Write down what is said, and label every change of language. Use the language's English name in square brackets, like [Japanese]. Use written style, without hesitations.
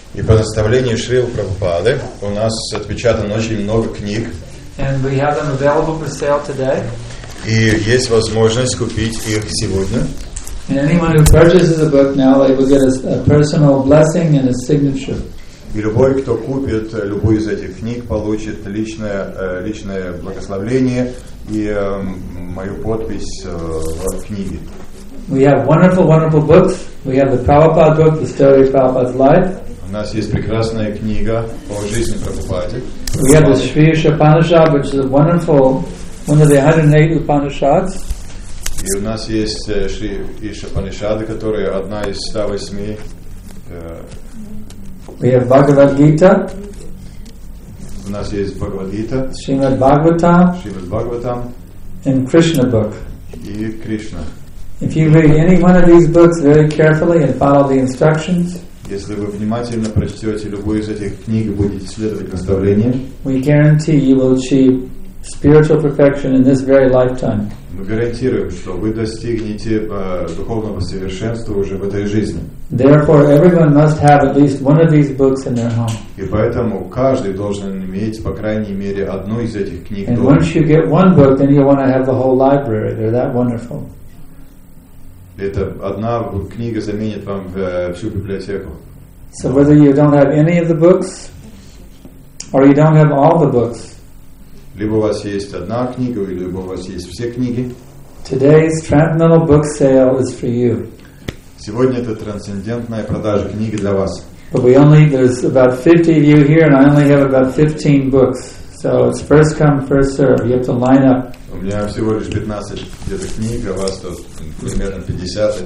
[Russian] И по наставлению Шрилы Прабхупады у нас отпечатано очень много книг. [English] And we have them available for sale today. [Russian] И есть возможность купить их сегодня. [English] And anyone who purchases a book now, they will get a personal blessing and a signature. [Russian] И любой, кто купит любую из этих книг, получит личное благословение и мою подпись в книге. [English] We have wonderful, wonderful books. We have the Prabhupada book, The Story of Prabhupada's Life. [Russian] У нас есть прекрасная книга о жизни Прабхупады. [English] We have the Sri Upanishad, which is a wonderful one of the 108 Upanishads. [Russian] И у нас есть Шри Упанишады, которая одна из 108. [English] We have Bhagavad Gita. [Russian] У нас есть Бхагавад Гита. Шримад Бхагаватам. Шримад Бхагаватам. [English] And Krishna book. [Russian] И Кришна. [English] If you read any one of these books very carefully and follow the instructions. [Russian] Если вы внимательно прочтете любую из этих книг и будете следовать наставлениям, [English] we guarantee you will achieve spiritual perfection in this very lifetime. [Russian] Мы гарантируем, что вы достигнете духовного совершенства уже в этой жизни. [English] Therefore, everyone must have at least one of these books in their home. [Russian] И поэтому каждый должен иметь по крайней мере одну из этих книг. [English] And once you get one book, then you want to have the whole library. They're that wonderful. [Russian] Это одна книга заменит вам всю библиотеку. [English] So whether you don't have any of the books, or you don't have all the books. [Russian] Либо у вас есть одна книга, или у вас есть все книги. [English] Today's transcendental book sale is for you. [Russian] Сегодня это трансцендентная продажа книги для вас. [English] But there's about 50 of you here, and I only have about 15 books. So it's first come, first serve. You have to line up. [Russian] У меня всего лишь 15 где-то книг, а вас тут примерно 50.